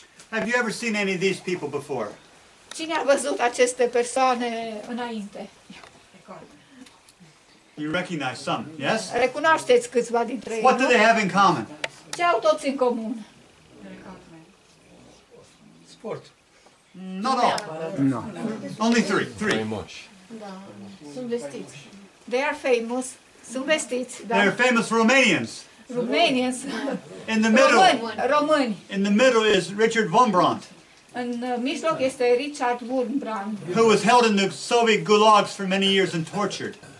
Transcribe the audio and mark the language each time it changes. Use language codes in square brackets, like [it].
[en] Have you ever seen any of these people before? [ro] Cine a văzut aceste persoane înainte? [en] You recognize some, yes? [ro] Recunoașteți câțiva dintre ei. [en] What do they have in common? [ro] Ce au toți în comun? [en] Sport. Not all. No. Only three. Three. Famous. [ro] Sunt vestiți. [en] They are famous. [ro] Sunt vestiți. [en] They are famous Romanians. Romanians. In the middle. [ro] Români. [en] In the middle is Richard von Brandt. [ro] În mijloc este Richard von Brandt. [en] Who was held in the Soviet gulags for many years and tortured.